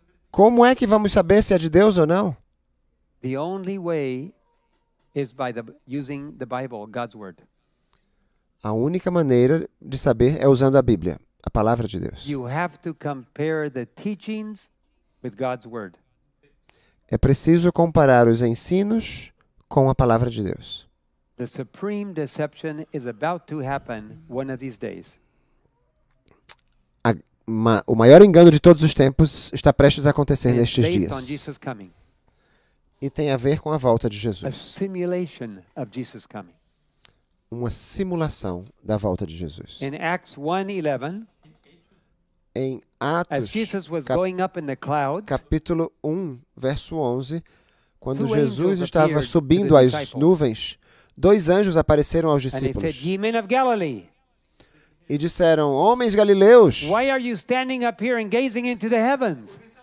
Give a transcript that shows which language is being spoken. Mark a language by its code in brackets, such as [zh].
[pt] Como é que vamos saber se é de Deus ou não? [en] The only way is by using the Bible, God's word. [pt] A única maneira de saber é usando a Bíblia, a palavra de Deus. [en] You have to compare the teachings with God's word. [pt] É preciso comparar os ensinos com a palavra de Deus. [en] The supreme deception is about to happen one of these days. [pt] O maior engano de todos os tempos está prestes a acontecer nestes dias. [en] On Jesus coming. [pt] E tem a ver com a volta de Jesus. [en] A simulation of Jesus coming. [pt] Uma simulação da volta de Jesus. [en] In Acts 1:11, [pt] em Atos, [en] as Jesus was going up in the clouds, [pt] capítulo 1, verso 11, quando Jesus estava subindo às nuvens, dois anjos apareceram aos discípulos. [en] And they said, "Ye men of Galilee, [pt] e disseram, homens galileus, [en] why are you standing up here and gazing into the heavens?